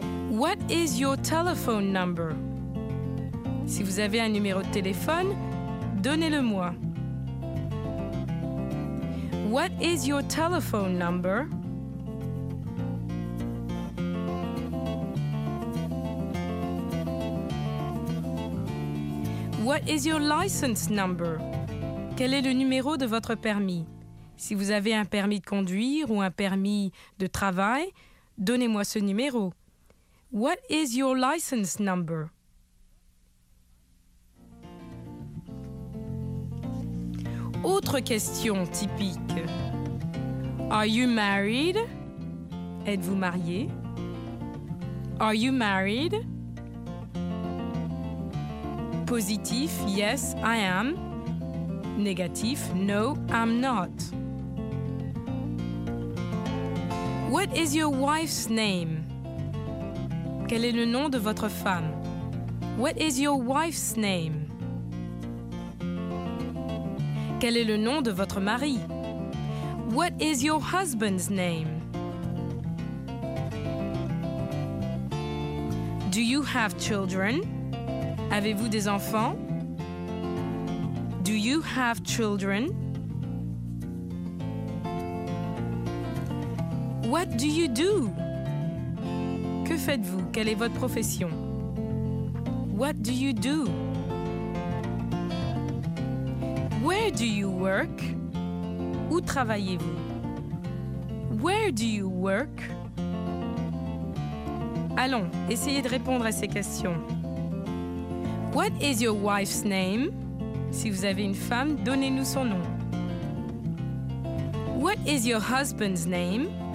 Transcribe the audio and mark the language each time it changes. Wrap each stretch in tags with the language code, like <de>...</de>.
<en>What is your telephone number?</en> <fr>Si vous avez un numéro de téléphone, donnez-le-moi.</fr> <en>What is your telephone number? What is your license number?</en> <fr>Quel est le numéro de votre permis? Si vous avez un permis de conduire ou un permis de travail, donnez-moi ce numéro.</fr> <en>What is your license number?</en> <fr>Autre question typique.</fr> <en>Are you married?</en> <fr>Êtes-vous marié?</fr> <en>Are you married? Positif, yes, I am. Négatif, no, I'm not. What is your wife's name?</en> <fr>Quel est le nom de votre femme?</fr> <en>What is your wife's name?</en> <fr>Quel est le nom de votre mari?</fr> <en>What is your husband's name? Do you have children?</en> <fr>Avez-vous des enfants?</fr> <en>Do you have children? What do you do?</en> <fr>Que faites-vous? Quelle est votre profession?</fr> <en>What do you do? Where do you work?</en> <fr>Où travaillez-vous?</fr> <en>Where do you work?</en> <fr>Allons, essayez de répondre à ces questions.</fr> <en>What is your wife's name?</en> <fr>Si vous avez une femme, donnez-nous son nom.</fr> <en>What is your husband's name?</en>